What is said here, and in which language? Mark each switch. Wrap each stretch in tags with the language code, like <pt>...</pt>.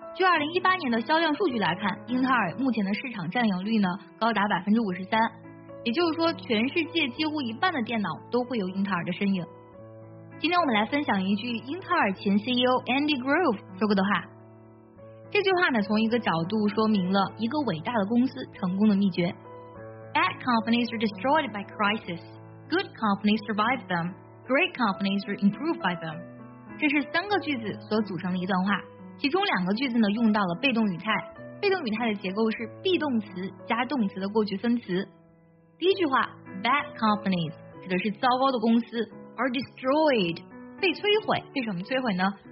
<zh>据2018年的销量数据来看，英特尔目前的市场占有率呢高达53%，也就是说全世界几乎一半的电脑都会有英特尔的身影。今天我们来分享一句英特尔前 CEO Andy Grove 说过的话。这句话呢，从一个角度说明了一个伟大的公司成功的秘诀。</zh> <en>Bad companies are destroyed by crisis. Good companies survive them. Great companies are improved by them.</en> <zh>这是三个句子所组成的一段话，其中两个句子呢用到了被动语态，被动语态的结构是 be 动词加动词的过去分词。第一句话</zh> <en>bad companies</en> <zh>指的是糟糕的公司，</zh> <en>are destroyed</en> <zh>被摧毁，被什么摧毁呢？</zh>